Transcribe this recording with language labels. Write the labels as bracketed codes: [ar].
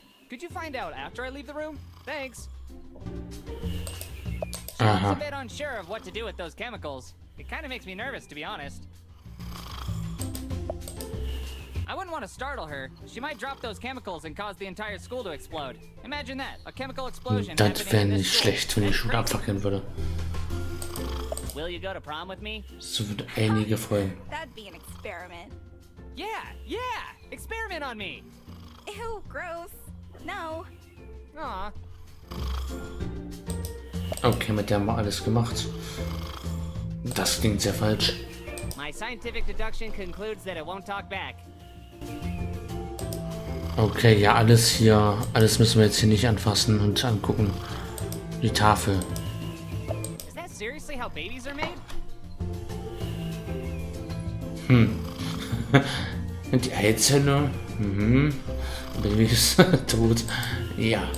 [en] Could you find out after I leave the room? Thanks. Tom's a bit unsure of what to do with those chemicals. It kind of makes me nervous, to be honest. I wouldn't want to startle her. She might drop those chemicals and cause the entire school to explode. Imagine that, a chemical explosion. [de] Das wäre nicht schlecht, wenn ich Schule abfackeln würde. [en] Will you go to prom with me? [de] Das wird einige freuen. [en] That'd be an experiment. Yeah, yeah! Experiment on me! Ew, gross. No. Aw. [de] Okay, mit der haben wir alles gemacht. Das klingt sehr falsch. [en] My scientific deduction concludes that it won't talk back. [de] Okay, ja, alles hier, alles müssen wir jetzt hier nicht anfassen und angucken. Die Tafel. [en] Is that seriously how babies are made? [de] Die Eizelle? Babys tot. Ja.